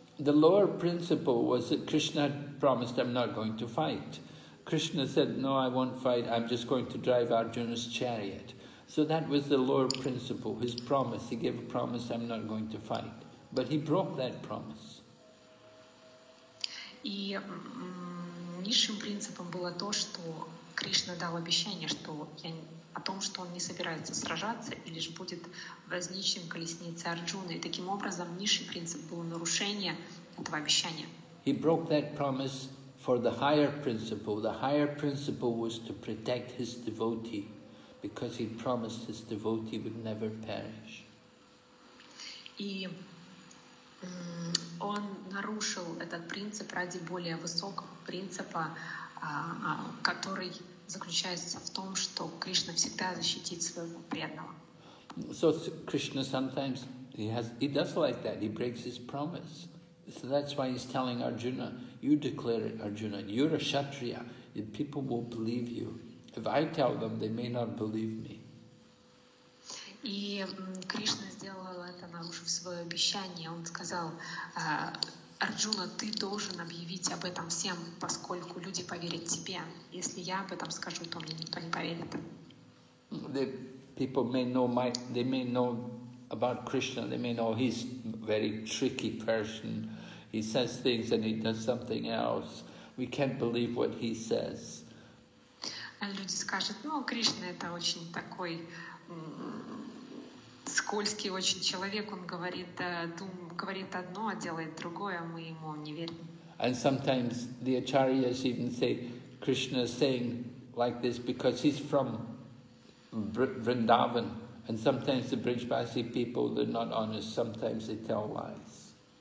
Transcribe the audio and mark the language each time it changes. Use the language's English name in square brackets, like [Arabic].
[English] The lower principle was that Krishna had promised, I'm not going to fight. Krishna said, no, I won't fight, I'm just going to drive Arjuna's chariot. So that was the lower principle, his promise. He gave a promise, I'm not going to fight. But he broke that promise. [Russian] И низшим принципом было то, что Кришна дал обещание, что я о том, что он не собирается сражаться и лишь будет возничим колесницей Арджуны. И таким образом, низший принцип был нарушение этого обещания. [English] He broke that promise for the higher principle. The higher principle was to protect his devotee, because he promised his devotee would never perish. [Russian] И он нарушил этот принцип ради более высокого принципа, который заключается в том, что Кришна всегда защитит своего преданного. [English] So Krishna sometimes he does like that. He breaks his promise. So that's why he's telling Arjuna, you declare it, Arjuna. You're a kshatriya. And people will believe you. If I tell them, they may not believe me. [Russian] И Кришна сделал это, нарушив свое обещание. Он сказал, Арджуна, ты должен объявить об этом всем, поскольку люди поверят тебе. Если я об этом скажу, то мне никто не поверит. [English] The people may know my, they may know about Krishna. They may know he's a very tricky person. He says things and he does something else. We can't believe what he says. [Russian] Люди скажут, ну, Кришна это очень такой скользкий очень человек, он говорит, говорит одно, а делает другое, мы ему не верим. [English] And sometimes the acharyas even say, Krishna is saying like this because he's from Vrindavan. And sometimes the Brijbasi people, they're not honest, sometimes they tell lies.